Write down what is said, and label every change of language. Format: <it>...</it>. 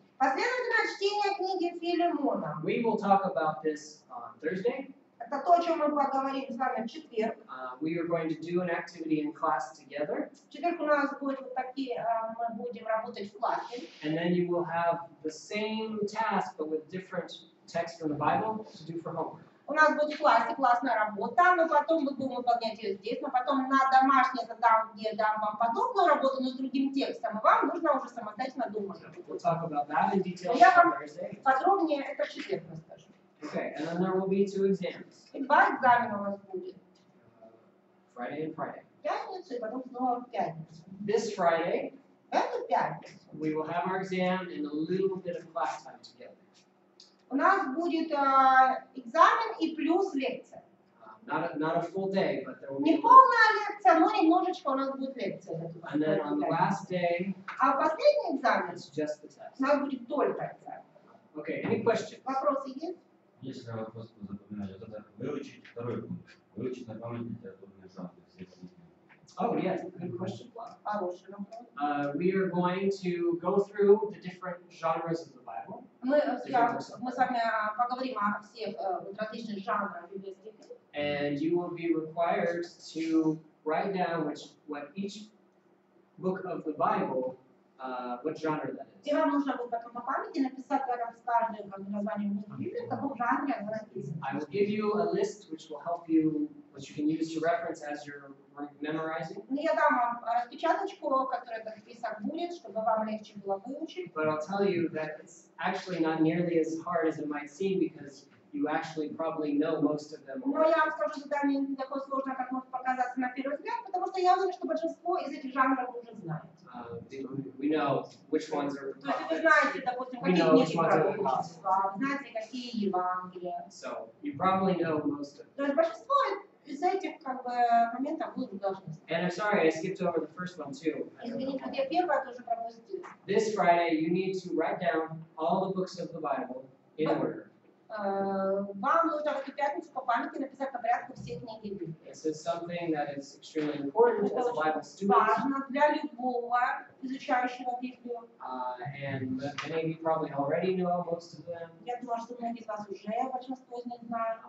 <ru>Последовательное чтение книги Филимона.</ru> <en>We will talk about this on Thursday.</en> <ru>Это то, о чем мы поговорим с вами в четверг.</ru> <en>We are going to do an activity in class together.</en> <ru>В четверг у нас будет вот такие, мы будем работать в классе.</ru> <en>And then you will have the same task, but with different texts from the Bible to do for homework.</en> <ru>У нас будет в классе классная работа, но потом мы будем выполнять ее здесь, но потом на домашнее задание дам вам подобную работу, но с другим текстом, и вам нужно уже самостоятельно думать.</ru> <en>We'll talk about that in detail</en> <ru>Я вам подробнее это в четверг расскажу.</ru> <en>Okay, and then there will be two exams.</en> <ru>И два экзамена у вас будет.</ru> <en>Friday and Friday.</en> <ru>Пятницу и потом снова пятницу.</ru> <en>This Friday.</en> <ru>Эту пятницу.</ru> <en>We will have our exam in a little bit of class time together.</en> <ru>У нас будет экзамен и плюс лекция.</ru> <en>Not a full day, but there will</en> <ru>не</ru> <en>be.</en> <ru>Не полная лекция, но немножечко у нас будет лекция.</ru> <en>And then on the last day.</en> <ru>А последний экзамен.</ru> <en>It's just the test.</en> <ru>У нас будет только экзамен.</ru> <en>Okay, any questions?</en> <ru>Вопросы есть? Есть вопрос по запоминанию. Это выучить второй пункт. Выучить на память литературный экзамен.</ru> <en>Oh, yeah, good question.</en> <ru>Хороший вопрос.</ru> <en>We are going to go through the different genres of the Bible.</en> <ru>Мы с вами поговорим о всех различных жанрах библейских.</ru> <en>And you will be required to write down what each book of the Bible, what genre that is.</en> <ru>И вам нужно будет потом по памяти написать рядом с каждым названием Библии, в каком жанре она написана.</ru> <en>I will give you a list which will help you, which you can use to reference as you're memorizing.</en> <ru>Я дам вам распечаточку, которая этот список будет, чтобы вам легче было выучить.</ru> <en>But I'll tell you that it's actually not nearly as hard as it might seem because you actually probably know most of them.</en> <ru>Но я вам скажу, что не такое сложно, как может показаться на первый взгляд, потому что я уверен, что большинство из этих жанров уже знает.</ru> <en>We know which ones are the prophets.</en> <ru>То есть вы знаете, допустим, какие книги пророчества, знаете, какие Евангелия.</ru> <en>So you probably know most of them.</en> <ru>То есть большинство из этих как бы моментов вы уже должны знать.</ru> <en>And I'm sorry, I skipped over the first one too.</en> <ru>Извините, я первое тоже пропустил.</ru> <en>This Friday you need to write down all the books of the Bible in order.</en> <ru>Вам нужно в эту пятницу по памяти написать по порядку все книги Библии. Это важно для любого изучающего Библию. Я думаю, что многие из вас уже большинство из них знают.</ru>